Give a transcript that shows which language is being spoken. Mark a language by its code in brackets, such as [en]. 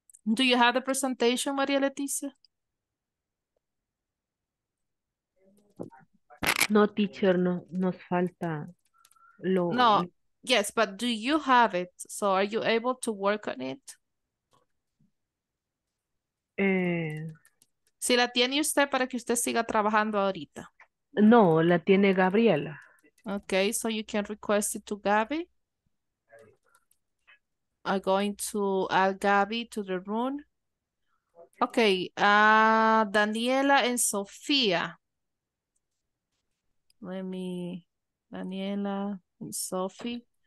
[en] Do you have the presentation, Maria Leticia? [es] No, teacher, no, nos falta lo... [en] No, yes, but do you have it? So are you able to work on it? [es] Si la tiene usted para que usted siga trabajando ahorita. No, la tiene Gabriela. [en] Okay, so you can request it to Gabby. I'm going to add Gabby to the room. Okay, Daniela and Sofia. Let me, Daniela and Sophie.